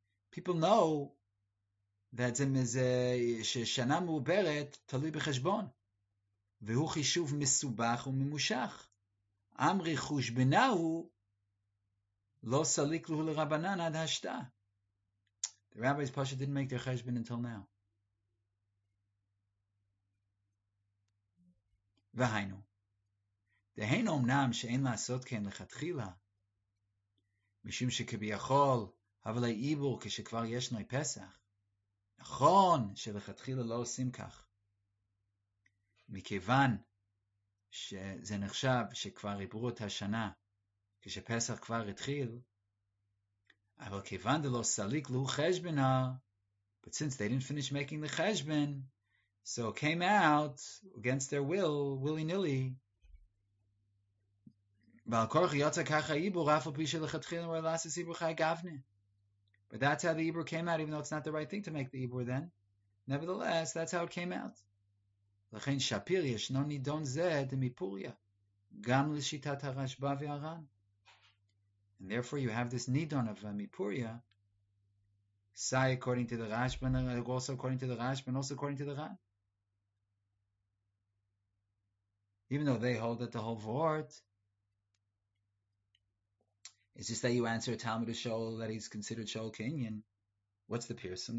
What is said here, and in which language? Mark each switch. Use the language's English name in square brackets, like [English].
[English] People know that [Hebrew] ששנה מעוברת תלוי בחשבון. והוא חישוב מסובך וממושך. אמרי חושבנהו לא סליק לו לרבנן עד השתה. [English] The rabbis Pasha didn't make their cheshbon until now. [Hebrew] והיינו. דהיינו אמנם שאין לעשות כן לכתחילה. משום שכביכול, אבל העיבור כשכבר ישנו פסח. נכון שלכתחילה לא עושים כך. מכיוון שזה נחשב שכבר עיברו את השנה, כשפסח כבר התחיל, אבל כיוון דלא סליק לו חשבנה, [English] but since they didn't finish making the חשבן, so it came out against their will, willy-nilly, [Hebrew] ועל כורך יוצא ככה עיבור, אף על פי שלכתחילה הוא עלה עשי עיבור חי גבנה. [English] But that's how the עיבור came out, even though it's not the right thing to make the עיבור then. Nevertheless, that's how it came out. [Hebrew] לכן שפיר ישנו נידון זה דמיפוריה, גם לשיטת הרשב"א והר"ן. [English] And therefore you have this nidon of Mipuria, say according to the Rashba, also according to the Rashba, and also according to the Ran. Even though they hold that the whole vort, it's just that you answer a Talmud to Shoal that he's considered Shoal Kenyan. What's the Pirsum?